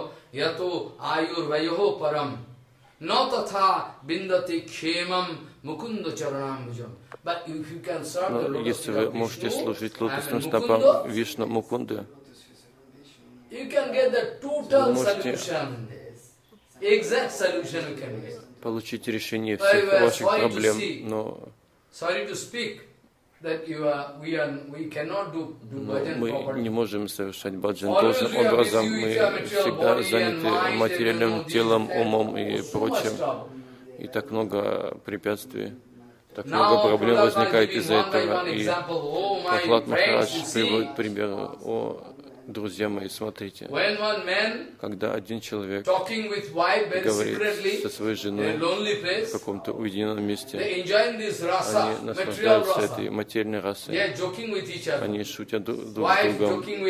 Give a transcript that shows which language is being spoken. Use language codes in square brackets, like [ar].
[ru] если вы можете служить лотосным стопам Вишну Мукунды, [en] You can get the total solution. Exact solution you can get. [ru] Получить решение всех ваших проблем, но [en] sorry to speak that you are we are we cannot do bhajan properly. [ru] Мы не можем совершать баджан должным образом. Мы всегда заняты материальным телом, умом и прочим. И так много препятствий, так много проблем возникает из-за этого. И Прохлад Махарадж приводит пример: о, друзья мои, смотрите, когда один человек говорит со своей женой в каком-то уединенном месте, они наслаждаются этой материальной расой, они шутят друг с другом.